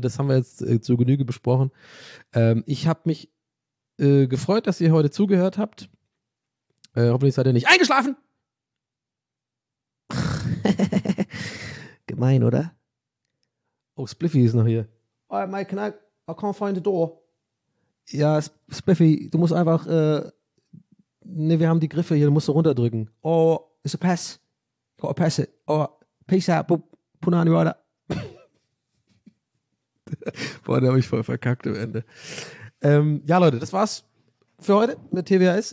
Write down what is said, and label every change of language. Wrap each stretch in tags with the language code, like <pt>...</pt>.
<de>Das haben wir jetzt zu Genüge besprochen. Ich habe mich gefreut, dass ihr heute zugehört habt. Hoffentlich seid ihr nicht eingeschlafen. Gemein, oder? Oh, Spliffy ist noch hier.</de> <en>Oh, Mike, can I can't find the door.</en> <de>Ja, Spliffy, du musst einfach... Nee, wir haben die Griffe hier, du musst runterdrücken.</de> <en>Oh, it's a pass. Gotta pass it. Oh, peace out, Punani Rider.</en> <de>Boah, der hab ich voll verkackt am Ende. Ja, Leute, das war's für heute mit TWS.</de>